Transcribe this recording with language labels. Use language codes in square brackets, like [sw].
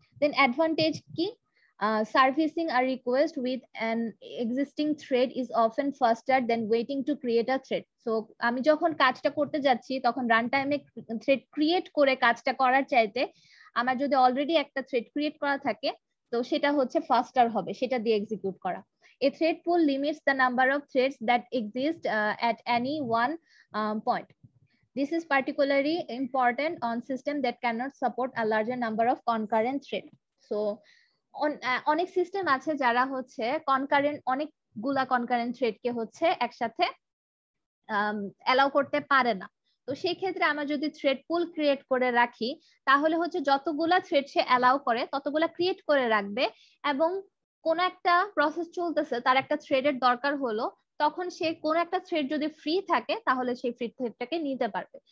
[en] Then advantage কি, servicing a request with an existing thread is often faster than waiting to create a thread. [bn] So আমি যখন কাজটা করতে যাচ্ছি তখন রান টাইমে থ্রেড ক্রিয়েট করে কাজটা করার চাইতে আমার যদি অলরেডি একটা থ্রেড ক্রিয়েট করা থাকে তো সেটা হচ্ছে ফাস্টার হবে সেটা দিয়ে এক্সিকিউট করা। [en] A thread pool limits the number of threads that exist at any one point. This is particularly important on system that cannot support a larger number of concurrent threads. [bn] So onek system ache jara hocche concurrent onek gula concurrent thread ke hocche ekshathe allow korte pare na, তো সেই ক্ষেত্রে আমরা যদি thread পুল create করে রাখি তাহলে হচ্ছে যতগুলা থ্রেড সে অ্যালাউ করে ততগুলা ক্রিয়েট করে রাখবে, এবং কোন একটা প্রসেস চলতেছে তার একটা থ্রেডের দরকার হলো তখন সে কোন একটা থ্রেড যদি ফ্রি থাকে তাহলে সেই ফ্রি থ্রেডটাকে নিতে পারবে।